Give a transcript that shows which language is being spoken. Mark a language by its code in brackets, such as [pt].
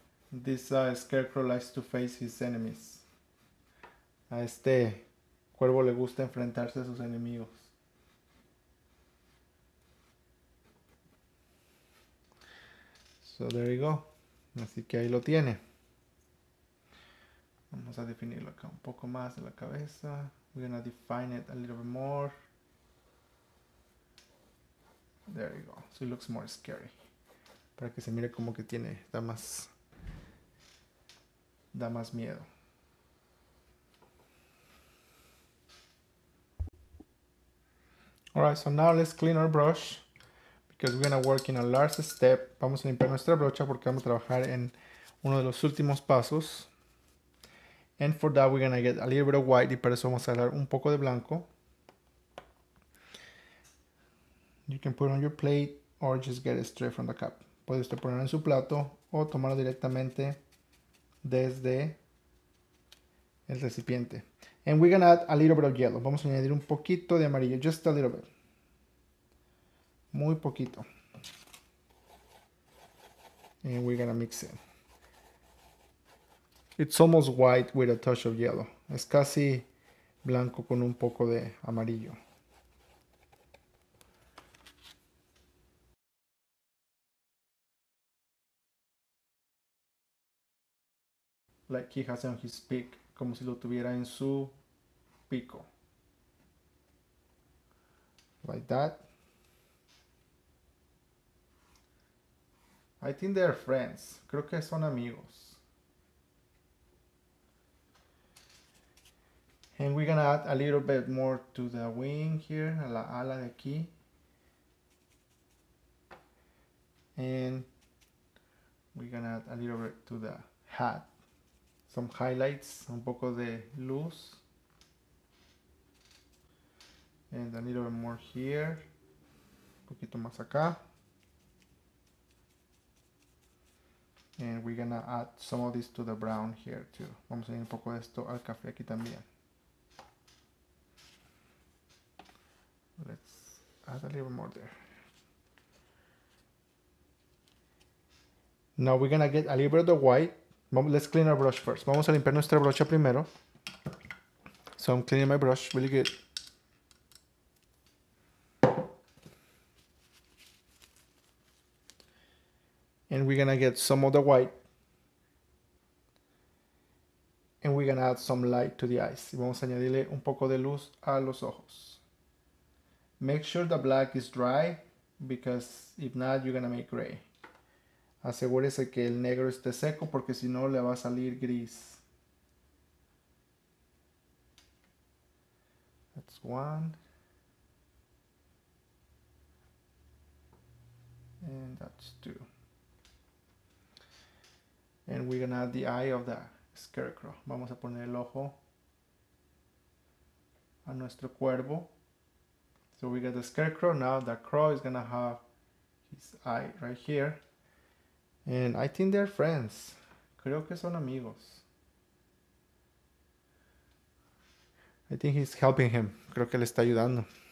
[en] This scarecrow likes to face his enemies. [es] A este cuervo le gusta enfrentarse a sus enemigos. [en] So there you go. [es] Así que ahí lo tiene. Vamos a definirlo acá un poco más en la cabeza. [en] We're gonna define it a little bit more. There you go. So it looks more scary. [es] Para que se mire como que tiene, da más miedo. [en] Alright, so now let's clean our brush. Because we're gonna work in a large step. [es] Vamos a limpiar nuestra brocha porque vamos a trabajar en uno de los últimos pasos. [en] And for that we're gonna get a little bit of white [es] y para eso vamos a agarrar un poco de blanco. [en] You can put it on your plate or just get it straight from the cup. [es] Puede usted ponerlo en su plato o tomarlo directamente desde el recipiente. [en] And we're gonna add a little bit of yellow. [es] Vamos a añadir un poquito de amarillo, [en] just a little bit. [es] Muy poquito. [en] And we're gonna mix it. It's almost white with a touch of yellow. [es] Es casi blanco con un poco de amarillo. [en] Like he has on his beak, [es] como si lo tuviera en su pico. [en] Like that. I think they're friends. [es] Creo que son amigos. [en] And we're gonna add a little bit more to the wing here, [es] a la ala de aquí. [en] And we're gonna add a little bit to the hat. Some highlights, [es] un poco de luz. [en] And a little bit more here. [es] Un poquito más acá. [en] And we're gonna add some of this to the brown here too. [es] Vamos a añadir un poco de esto al café aquí también. [en] Let's add a little more there. Now we're gonna get a little bit of the white. Let's clean our brush first. [es] Vamos a limpiar nuestra brocha primero. [en] So I'm cleaning my brush really good. And we're gonna get some of the white. And we're gonna add some light to the eyes. [es] Y vamos a añadirle un poco de luz a los ojos. [en] Make sure the black is dry, because if not, you're gonna make gray. [es] Asegúrese que el negro esté seco, porque si no, le va a salir gris. [en] That's one. And that's two. And we're gonna add the eye of the scarecrow. [es] Vamos a poner el ojo a nuestro cuervo. [en] So we got the scarecrow. Now the crow is gonna have his eye right here. And I think they're friends. [es] Creo que son amigos. [en] I think he's helping him. [es] Creo que le está ayudando.